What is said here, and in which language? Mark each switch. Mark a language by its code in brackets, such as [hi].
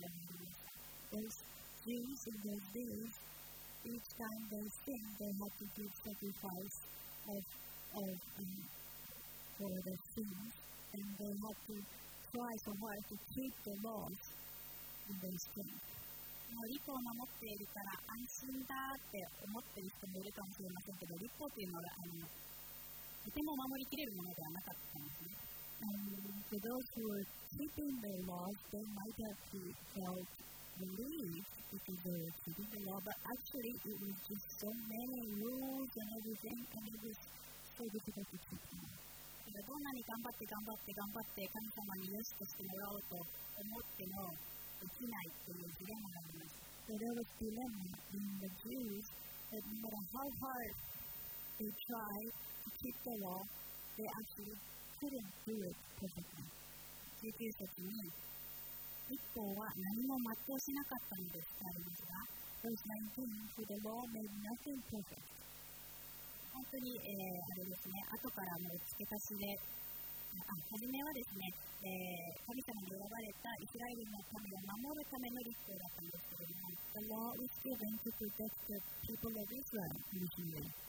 [en] Jews in those days, each time they sinned, they had to give sacrifice for their sins, and they had to try so hard to keep the laws in those things. [ja] もう律法を守っているから安心だって思っている人もいるかもしれませんけど、律法というのはとても守りきれるものではなかったんですね。 [en] For those who were keeping the laws, they might have felt relief because they were keeping the law, but actually it was just so many rules and everything, and it was so difficult to keep them. [ja] どんなに頑張って頑張って頑張って神様に良しとしてもらおうと思ってもできないというジレンマがあります。 [en] So there was dilemma in the Jews that no matter how hard they tried to keep the law, they actually couldn't do it perfectly. [ja] 救急車に一方は何も全うしなかったのですとありますが、 [en] Verse 19, for the law made nothing perfect. [ja] 本当に、あれですね、後からの付け足しで、初めはですね、神様に選ばれたイスラエルの民を守るための律法だったんですけれども、 [en] The law was given to protect the people of Israel, initially.